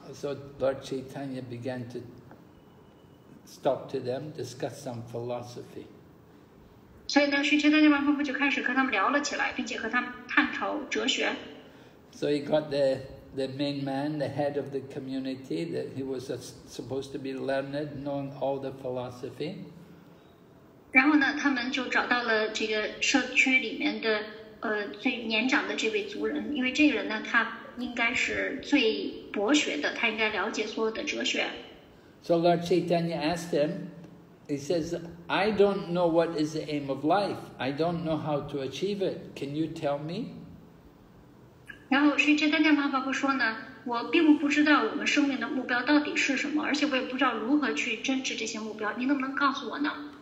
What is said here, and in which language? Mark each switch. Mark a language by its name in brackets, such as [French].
[English] So Lord Chaitanya began to stop to them, discuss some philosophy. [Chinese] 所以呢 ，Sri Chaitanya Mahaprabhu 就开始和他们聊了起来，并且和他们探讨哲学。 [English] So he got the the main man, the head of the community, that he was supposed to be learned, known all the philosophy. [Chinese] 然后呢，他们就找到了这个社区里面的最年长的这位族人，因为这个人呢，他应该是最博学的，他应该了解所有的哲学。 [English] So Lord Chaitanya asked him, he says, I don't know what is the aim of life. I don't know how to achieve it. Can you tell me? [Chinese] 然后Sri Chaitanya Mahaprabhu说呢，我并不知道我们生命的目标到底是什么，而且我也不知道如何去坚持这些目标，你能不能告诉我呢？